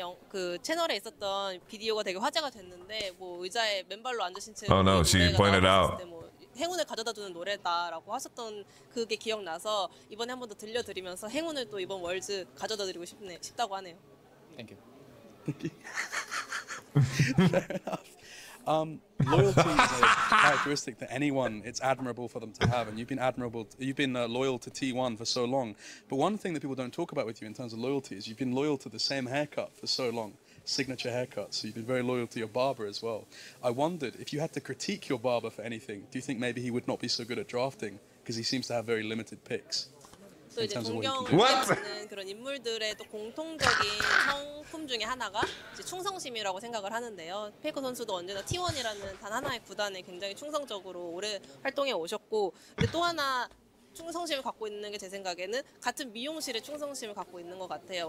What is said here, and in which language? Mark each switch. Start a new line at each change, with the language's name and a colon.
Korean: 그 채널에 있었던 비디오가 되게 화제가 됐는데 뭐 의자에 맨발로 앉으신 채
English: Oh no, she pointed out.
Korean: 행운을 가져다 주는 노래다라고 하셨던 그게 기억나서 이번에 한번 더 들려드리면서 행운을 또 이번 월즈 가져다 드리고 싶다고 하네요.
English: Thank you. Loyalty is a characteristic that anyone, it's admirable for them to have, and you've been admirable, you've been loyal to T1 for so long. But one thing that people don't talk about with you in terms of loyalty is you've been loyal to the same haircut for so long, signature haircut, so you've been very loyal to your barber as well. I wondered, if you had to critique your barber for anything, do you think maybe he would not be so good at drafting, because he seems to have very limited picks?
Korean: 또 이제 존경하는 그런 인물들의 또 공통적인 성품 중에 하나가 이제 충성심이라고 생각을 하는데요. 페이커 선수도 언제나 T1이라는 단 하나의 구단에 굉장히 충성적으로 오래 활동해 오셨고 근데 또 하나 충성심을 갖고 있는 게 제 생각에는 같은 미용실에 충성심을 갖고 있는 것 같아요.